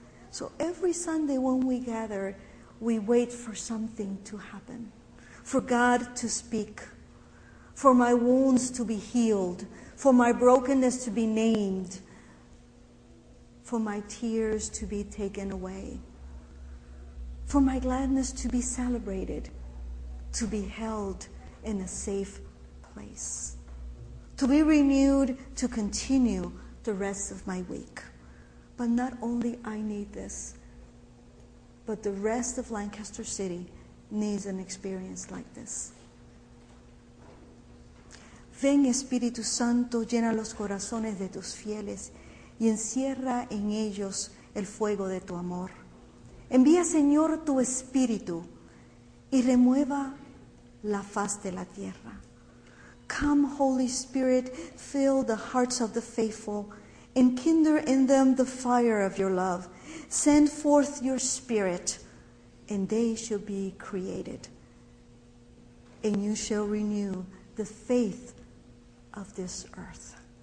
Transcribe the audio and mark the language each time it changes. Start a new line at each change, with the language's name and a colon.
English: So every Sunday when we gather, we wait for something to happen, for God to speak, for my wounds to be healed, for my brokenness to be named, for my tears to be taken away, for my gladness to be celebrated, to be held in a safe place, to be renewed to continue the rest of my week. But not only I need this, but the rest of Lancaster City needs an experience like this.
Spanish: Ven Espíritu Santo, llena los corazones de tus fieles y encierra en ellos el fuego de tu amor. Envía, Señor, tu Espíritu y remueva la faz de la tierra.
English: Come, Holy Spirit, fill the hearts of the faithful and kindle in them the fire of your love. Send forth your Spirit, and they shall be created. And you shall renew the faith of this earth.